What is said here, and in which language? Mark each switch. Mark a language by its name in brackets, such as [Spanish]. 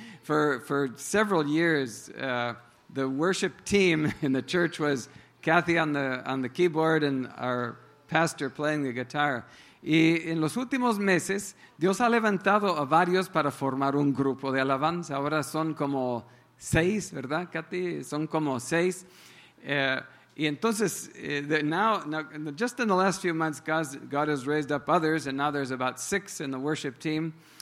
[English] For several years, the worship team in the church was Kathy on the keyboard and our pastor playing the guitar. [Spanish] Y en los últimos meses, Dios ha levantado a varios para formar un grupo de alabanza. Ahora son como seis, ¿verdad, Katy? Son como seis. Y entonces, [English] now, just in the last few months, God has raised up others, and now there's about six in the worship team.